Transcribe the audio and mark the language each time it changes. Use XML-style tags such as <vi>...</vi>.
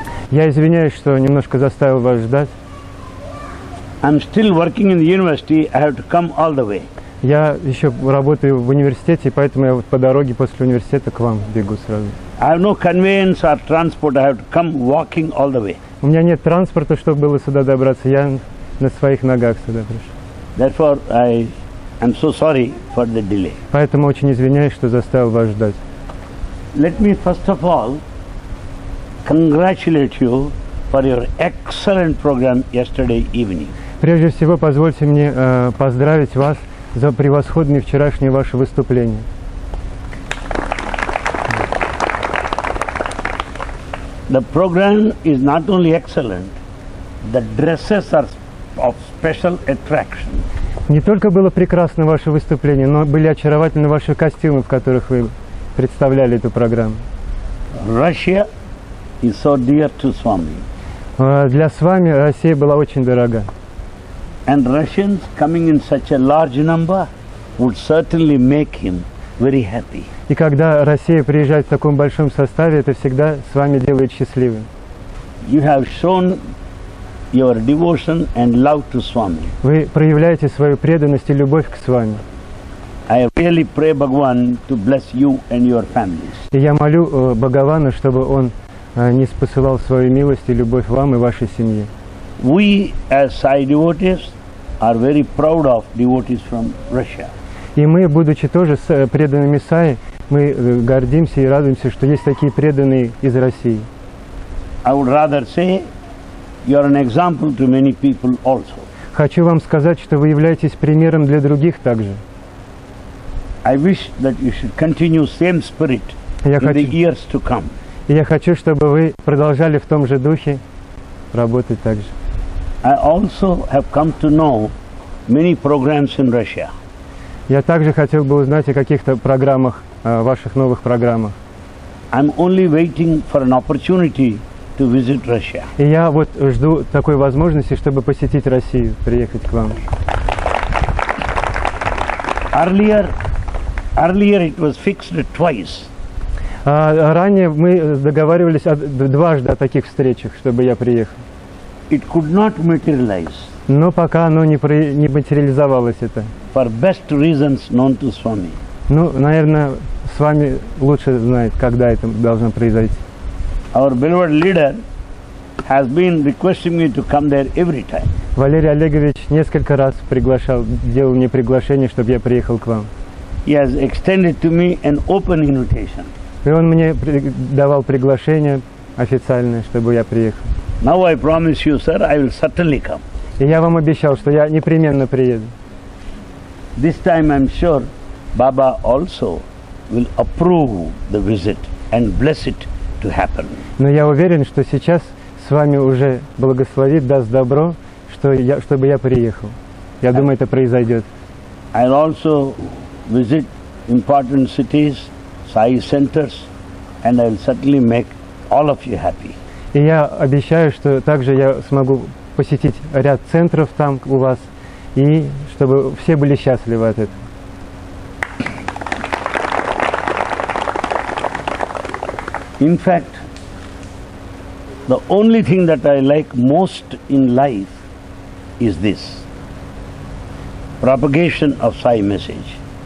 <ru>Я извиняюсь, что немножко заставил вас ждать.</ru> <en>I'm still working in the university. I have to come all the way.</en> <ru>Я еще работаю в университете, поэтому я вот по дороге после университета к вам бегу сразу.</ru> <en>I have no conveyance or transport. I have to come walking all the way.</en> <ru>У меня нет транспорта, чтобы было сюда добраться. Я на своих ногах сюда пришел.</ru> <en>Therefore, I am so sorry for the delay.</en> <ru>Поэтому очень извиняюсь, что заставил вас ждать.</ru> <en>Let me first of all congratulate you for your excellent program yesterday evening.</en> <ru>Прежде всего, позвольте мне поздравить вас за превосходное вчерашнее ваше выступление.</ru> <en>The program is not only excellent, the dresses are of special attraction.</en> <ru>Не только было прекрасно ваше выступление, но были очаровательны ваши костюмы, в которых вы представляли эту программу.</ru> <en>Russia is so dear to Swami.</en> <ru>Для Свами Россия была очень дорога.</ru> <en>And Russians coming in such a large number would certainly make him very happy.</en> <ru>И когда Россия приезжает в таком большом составе, это всегда с вами делает счастливым.</ru> <en>You have shown your devotion and love to Swami.</en> <ru>Вы проявляете свою преданность и любовь к Свами.</ru> <en>I really pray Bhagavan to bless you and your families.</en> <ru>И я молю Бхагавана, чтобы он не спосылал свою милость и любовь вам и вашей семье.</ru> <en>We as Sai devotees are very proud of devotees from Russia.</en> <ru>И мы, будучи тоже преданными Саи, мы гордимся и радуемся, что есть такие преданные из России.</ru> <en>I would rather say you are an example to many people also.</en> <ru>Хочу вам сказать, что вы являетесь примером для других также.</ru> <en>I wish that you should continue same spirit in the years to come.</en> <ru>Я хочу, чтобы вы продолжали в том же духе работать также.</ru> <en>I also have come to know many programs in Russia.</en> <ru>Я также хотел бы узнать о каких-то программах, ваших новых программах.</ru> <en>I'm only waiting for an opportunity to visit Russia.</en> <ru>И я вот жду такой возможности, чтобы посетить Россию, приехать к вам.</ru> <en>Earlier it was fixed twice.</en> <ru>Ранее мы договаривались дважды о таких встречах, чтобы я приехал.</ru> <en>It could not materialize.</en> <ru>Но пока оно не материализовалось это.</ru> <en>For best reasons known to Swami.</en> <ru>Ну, наверное, Свами лучше знает, когда это должно произойти.</ru> <en>Our beloved leader has been requesting me to come there every time.</en> <ru>Валерий Олегович несколько раз приглашал, делал мне приглашение, чтобы я приехал к вам.</ru> <en>He has extended to me an open invitation.</en> <ru>И он мне давал приглашение официальное, чтобы я приехал.</ru> <en>Now I promise you, sir, I will certainly come.</en> <ru>И я вам обещал, что я непременно приеду.</ru> <en>This time I'm sure Baba also will approve the visit and bless it to happen.</en> <ru>Но я уверен, что сейчас с вами уже благословит, даст добро, чтобы я приехал. Я думаю, это произойдет.</ru> <en>I'll also visit important cities, Sai centers, and I'll certainly make all of you happy.</en> <ru>И я обещаю, что также я смогу посетить ряд центров там у вас, и чтобы все были счастливы от этого.</ru> <en>In fact, the only thing that I like most in life is this: propagation of Sai message.</en>